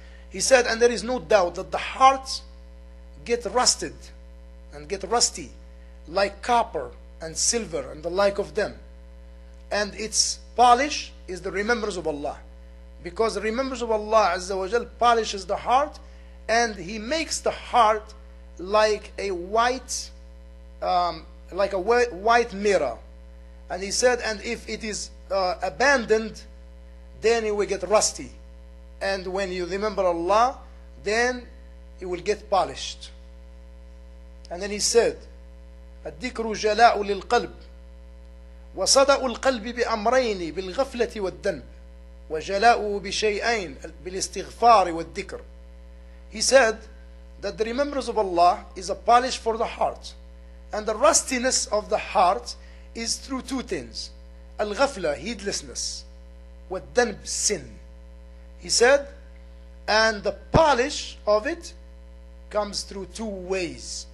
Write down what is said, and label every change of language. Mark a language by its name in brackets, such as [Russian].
[English] He said, and there is no doubt that the heart get rusted and get rusty like copper and silver and the like of them, and its polish is the remembrance of Allah, because the remembrance of Allah Azza wa Jal polishes the heart, and he makes the heart like a white white mirror. And he said, and if it is abandoned, then it will get rusty, and when you remember Allah, then it will get polished. And then he said, [Arabic] الذكر جلاء للقلب وصدأ القلب بأمرين بالغفلة والذنب وجلاؤه بشيئين بالاستغفار والذكر. [English] He said that the remembrance of Allah is a polish for the heart, and the rustiness of the heart is through two things, al-ghafla, heedlessness, wa-dhanb, sin. He said, and the polish of it comes through two ways.